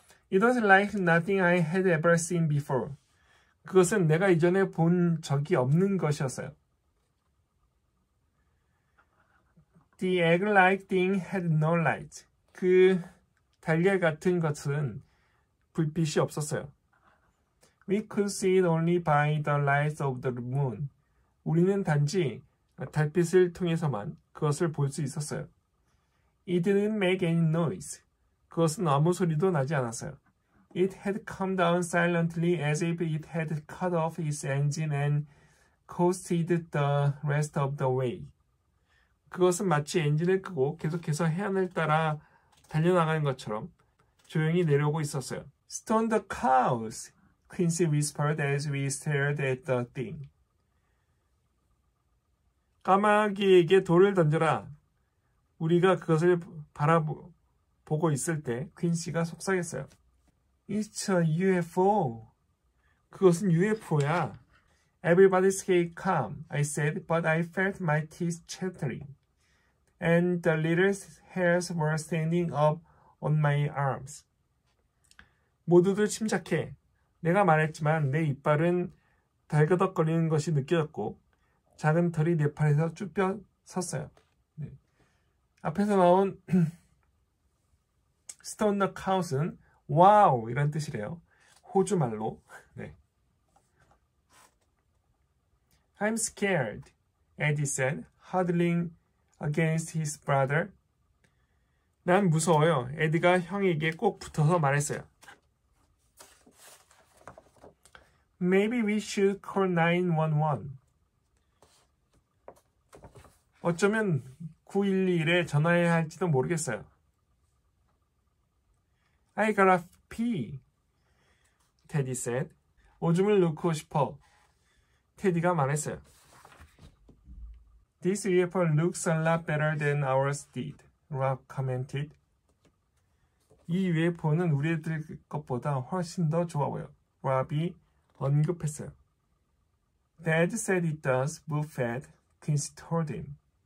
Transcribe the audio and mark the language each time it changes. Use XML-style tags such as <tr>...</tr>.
<en>It was like nothing I had ever seen before.</en> <ko>그것은 내가 이전에 본 적이 없는 것이었어요.</ko> <en>The egg-like thing had no light.</en> <ko>그 달걀 같은 것은 불빛이 없었어요.</ko> <en>We could see it only by the light of the moon.</en> <ko>우리는 단지 달빛을 통해서만 그것을 볼 수 있었어요.</ko> <en>It didn't make any noise.</en> <ko>그것은 아무 소리도 나지 않았어요.</ko> <en>It had come down silently as if it had cut off its engine and coasted the rest of the way.</en> <ko>그것은 마치 엔진을 끄고 계속해서 해안을 따라 달려나가는 것처럼 조용히 내려오고 있었어요.</ko> <en>Stone the cows, Quincy whispered as we stared at the thing.</en> <ko>까마귀에게 돌을 던져라. 우리가 그것을 보고 있을 때 퀸시가 속삭였어요.</ko> <en>It's a UFO.</en> <ko>그것은 UFO야.</ko> <en>Everybody stay calm, I said, but I felt my teeth chattering. And the little hairs were standing up on my arms.</en> <ko>모두들 침착해. 내가 말했지만 내 이빨은 달그덕거리는 것이 느껴졌고 작은 털이 내 팔에서 쭈뼛 섰어요. 네. 앞에서 나온</ko> <en>Stone the cows</en> <ko>는 와우 이런 뜻이래요. 호주 말로. 네.</ko> <en>I'm scared, Eddie said, huddling against his brother.</en> <ko>난 무서워요. 에디가 형에게 꼭 붙어서 말했어요.</ko> <en>Maybe we should call 911.</en> <ko>어쩌면 911에 전화해야 할지도 모르겠어요.</ko> <en>I gotta pee, Teddy said.</en> <ko>오줌을 누르고 싶어. 테디가 말했어요.</ko> <en>This UFO looks a lot better than ours did, Rob commented.</en> <ko>이 UFO는 우리들 것보다 훨씬 더 좋아 보여. Rob이 언급했어요.</ko> <en>Dad said it does, but fat, Quincy told him.</en>